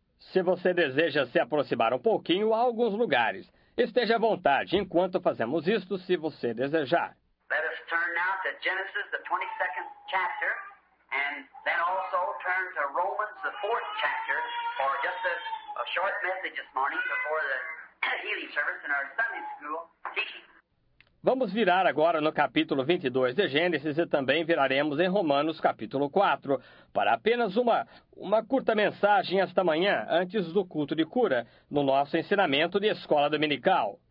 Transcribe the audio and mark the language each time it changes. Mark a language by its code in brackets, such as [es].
[pt] Se você deseja se aproximar um pouquinho a alguns lugares, esteja à vontade enquanto fazemos isto, se você desejar. [en] Let us turn now to Genesis, the 22nd chapter. And then also turn to Romans, the 4th chapter, for just a short message this morning before the healing service in our Sunday school teaching. [pt] Vamos virar agora no capítulo 22 de Gênesis e também viraremos em Romanos, capítulo 4, para apenas uma curta mensagem esta manhã, antes do culto de cura, no nosso ensinamento de escola dominical.